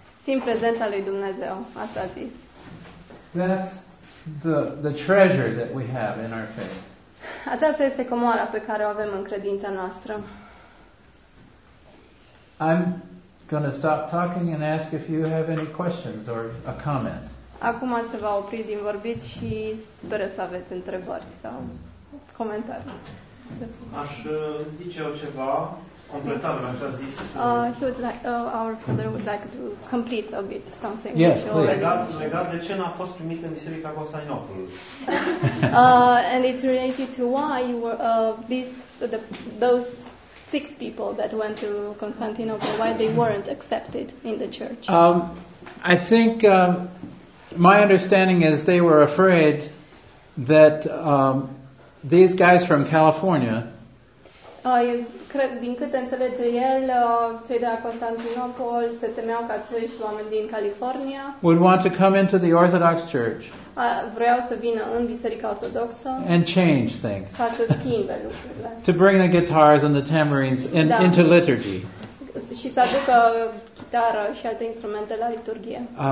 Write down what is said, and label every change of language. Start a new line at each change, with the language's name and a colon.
Romanian: Simt prezența lui Dumnezeu, asta a zis.
English: That's the treasure that we have in our faith.
Romanian: Aceasta este comoara pe care o avem în credința noastră.
English: I'm going to stop talking and ask if you have any questions or a comment.
Romanian: Acum se va opri din vorbit și sper să aveți întrebări sau comentarii. Aș zice eu ceva completat la ce a zis.
English: Our father would like to complete a bit something. Yes, please.
Romanian: Legat de ce n-a fost primit în Biserica Constantinopolului.
English: And it's related to why you were those six people that went to Constantinople, why they weren't accepted in the church. I think my understanding is they were afraid that these guys from California.
Romanian: Cred, din câte înțelege el, cei de la Constantinopol se temeau că acești oameni din California
English: would want to come into the Orthodox Church.
Romanian: Vreau să vină în biserica ortodoxă.
English: And change things.
Romanian: Ca să schimbe lucrurile.
English: To bring the guitars and the tambourines into liturgy.
Romanian: Și să aducă chitară și alte instrumente la liturghie.